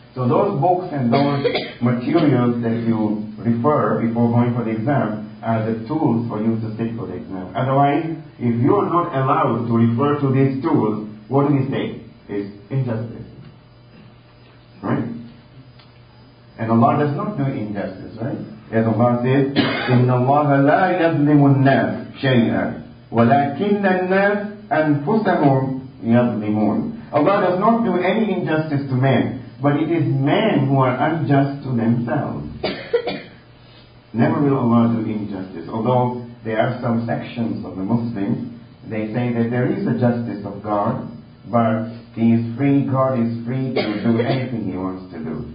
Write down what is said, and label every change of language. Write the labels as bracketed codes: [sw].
[en] So those books and those materials that you refer before going for the exam are the tools for you to sit for the exam. Otherwise, if you are not allowed to refer to these tools, what do we say? It's injustice. Right? And Allah does not do injustice, right? [ar] As Allah says, إِنَّ اللَّهَ لَا يَظْلِمُ النَّاسِ شَيْئًا وَلَكِنَّ النَّاسِ أَنفُسَهُمْ يَظْلِمُونَ. [en] Allah does not do any injustice to men, but it is men who are unjust to themselves. Never will Allah do injustice. Although there are some sections of the Muslims, they say that there is a justice of God, but He is free, God is free to do anything He wants to do.